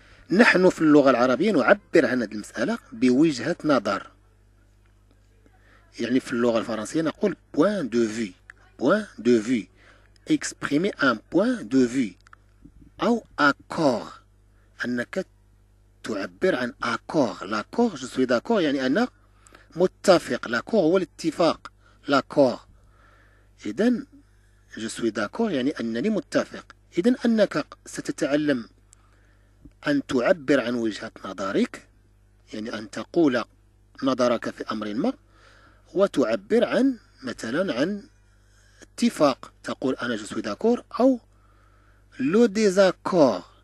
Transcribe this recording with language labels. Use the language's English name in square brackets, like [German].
[Arabic] نحن في اللغة العربية نعبر عن هذه المسألة بوجهة نظر، يعني في اللغة الفرنسية نقول point de vue، point de vue، [French] exprimer un point de vue [Arabic] أو accord، أنك تعبر عن accord. [French] l'accord je suis d'accord [Arabic] يعني أنا متفق، [French] l'accord [Arabic] هو الاتفاق، [French] l'accord. [Arabic] إذن je suis d'accord يعني أنني متفق. إذن أنك ستتعلم أن تعبر عن وجهة نظرك، يعني أن تقول نظرك في أمر ما، وتعبر عن مثلا عن اتفاق، تقول أنا [French] جو سوي داكور [Arabic] أو [French] لو ديزاكور.